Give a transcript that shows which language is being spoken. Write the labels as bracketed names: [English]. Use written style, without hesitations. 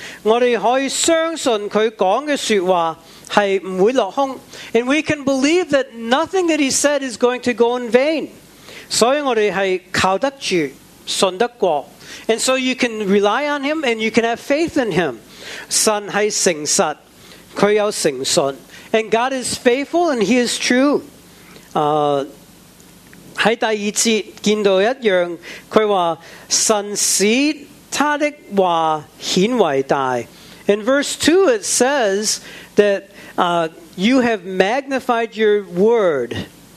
[Chinese] 我们可以相信他讲的说话。 [English] And we can believe that nothing that he said is going to go in vain. And so you can rely on him and you can have faith in him. And God is faithful and he is true. [Chinese] 在第二节见到一样，他说神使他的话显伟大。 [English] In verse 2 it says that you have magnified your word.